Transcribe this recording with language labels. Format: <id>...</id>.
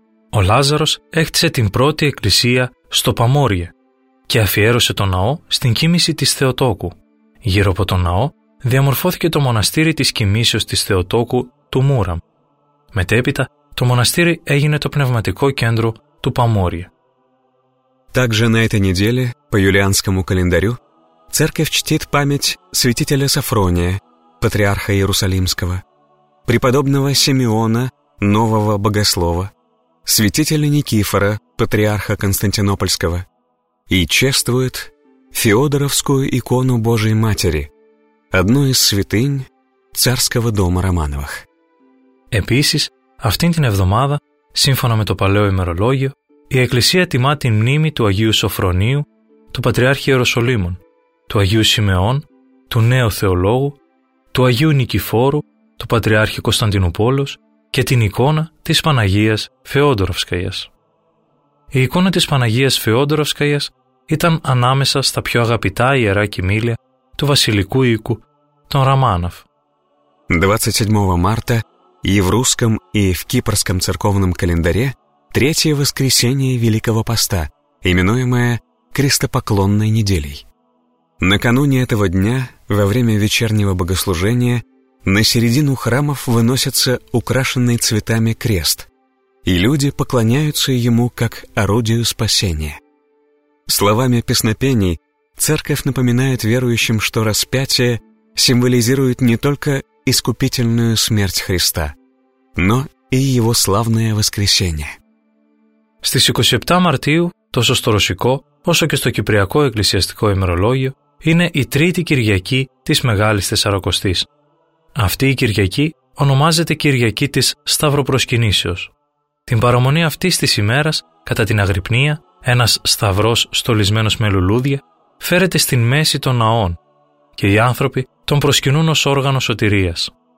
<el>Ο Λάζαρος έκτισε την πρώτη εκκλησία στο Παμόριε και αφιέρωσε το ναό στην κοίμηση της Θεοτόκου. Γύρω από το ναό διαμορφώθηκε το μοναστήρι της κοιμήσεως της Θεοτόκου του Μούραμ. Μετέπειτα το μοναστήρι έγινε το πνευματικό κέντρο του Παμόριε.</el> <ru>Также на этой неделе по юлианскому календарю Церковь чтит память святителя Софрония, патриарха Иерусалимского, преподобного Симеона, нового богослова, святителя Никифора, патриарха Константинопольского, и чествует Феодоровскую икону Божией Матери, одну из святынь царского дома Романовых.</ru> <el>Επίσης, αυτήν την εβδομάδα, σύμφωνα με το παλαιό ημερολόγιο, η Εκκλησία τιμά την μνήμη του Αγίου Σοφρονίου, του Πατριάρχη Ιεροσολύμων, του Αγίου Σιμεών, του Νέου Θεολόγου, του Αγίου Νικηφόρου, του Πατριάρχη Κωνσταντινουπόλεως και την εικόνα της Παναγίας Φεόντοροφσκαίας. Η εικόνα της Παναγίας Φεόντοροφσκαίας ήταν ανάμεσα στα πιο αγαπητά ιερά κοιμήλια του βασιλικού οίκου, τον Ραμάνοφ.</el> <ru>27 Μάρτα, в русском и в кипрском церковном календаре, третье воскресенье Великого Поста, именуемое Крестопоклонной неделей. Накануне этого дня, во время вечернего богослужения, на середину храмов выносится украшенный цветами крест, и люди поклоняются ему как орудию спасения. Словами песнопений церковь напоминает верующим, что распятие символизирует не только искупительную смерть Христа, но и его славное воскресение.</ru> <el>Στις 27 Μαρτίου τόσο στο ρωσικό όσο και στο κυπριακό εκκλησιαστικό ημερολόγιο, είναι η τρίτη Κυριακή της Μεγάλης Τεσσαρακοστής. Αυτή η Κυριακή ονομάζεται Κυριακή της Σταυροπροσκυνήσεως. Την παραμονή αυτή της ημέρας, κατά την Αγρυπνία, ένας σταυρός στολισμένος με λουλούδια φέρεται στην μέση των ναών και οι άνθρωποι τον προσκυνούν ως όργανο σωτηρίας.</el>